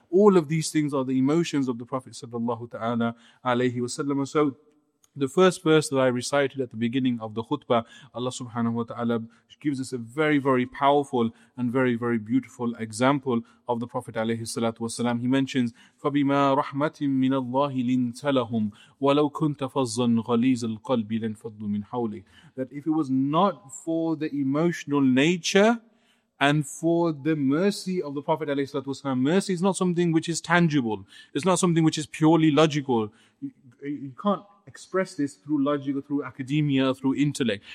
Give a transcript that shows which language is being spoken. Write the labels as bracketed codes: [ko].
[en] All of these things are the emotions of the Prophet sallallahu ta'ala alayhi wa sallam. So the first verse that I recited at the beginning of the khutbah, Allah subhanahu wa ta'ala gives us a very, very powerful and very, very beautiful example of the Prophet alayhi salatu wa sallam. He mentions, [ar] فَبِمَا رَحْمَةٍ مِّنَ اللَّهِ لِنْتَ لَهُمْ وَلَوْ كُنْتَ فَظًّا غَلِيزَ الْقَلْبِ لَنْفَضُّ مِنْ حَوْلِهِ. [en] That if it was not for the emotional nature and for the mercy of the Prophet alayhi salatu wa sallam, mercy is not something which is tangible. It's not something which is purely logical. You can't express this through logic or through academia or through intellect.